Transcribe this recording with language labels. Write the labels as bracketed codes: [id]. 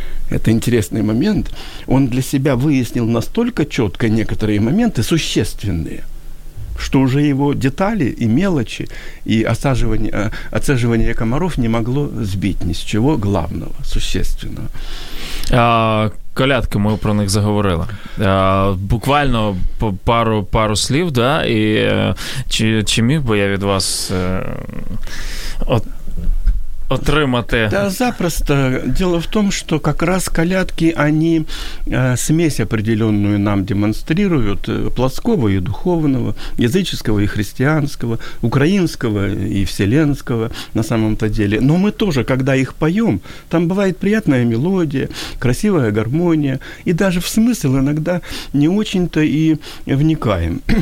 [ru] Это интересный момент. Он для себя выяснил настолько четко некоторые моменты, существенные, что уже его детали и мелочи, и отсаживание комаров не могло сбить ни с чего главного, существенного. [uk] Колядки, ми про них заговорили. Буквально пару слів, да, і чи міг би я від вас отримати? [ru] Да, запросто. Дело в том, что как раз колядки, они смесь определенную нам демонстрируют, плотского и духовного, языческого и христианского, украинского и вселенского на самом-то деле. Но мы тоже, когда их поем, там бывает приятная мелодия, красивая гармония, и даже в смысл иногда не очень-то и вникаем.